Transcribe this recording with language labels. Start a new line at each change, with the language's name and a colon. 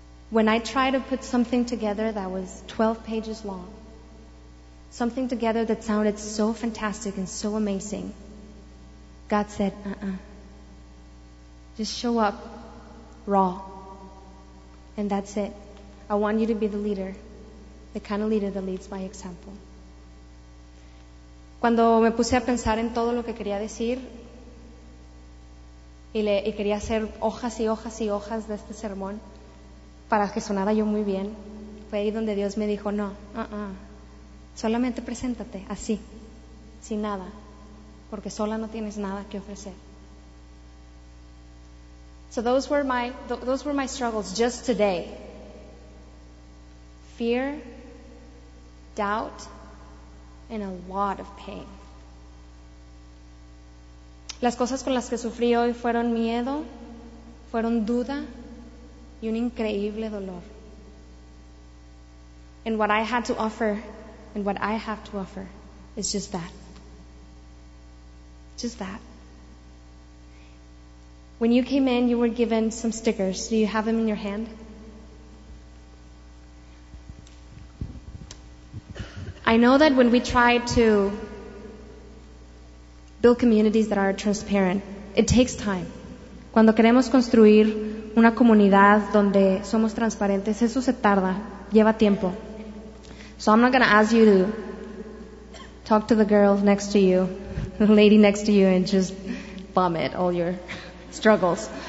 English: When I try to put something together that was 12 pages long, something together that sounded so fantastic and so amazing, God said, "Uh-uh. Just show up raw. And that's it. I want you to be the leader, the kind of leader that leads by example."
Spanish: Cuando me puse a pensar en todo lo que quería decir, y quería hacer hojas y hojas y hojas de este sermón, para que sonara yo muy bien, fue ahí donde Dios me dijo, no, solamente preséntate, así, sin nada, porque sola no tienes nada que ofrecer.
English: So those were my struggles just today. Fear, doubt, and a lot of pain.
Spanish: Las cosas con las que sufrí hoy fueron miedo, fueron duda, y un increíble dolor.
English: And what I had to offer, and what I have to offer, is just that. Just that. When you came in, you were given some stickers. Do you have them in your hand? I know that when we try to build communities that are transparent, it takes time.
Spanish: Cuando queremos construir una comunidad donde somos transparentes, eso se tarda, lleva tiempo.
English: So I'm not going to ask you to talk to the girl next to you, the lady next to you, and just vomit all your struggles.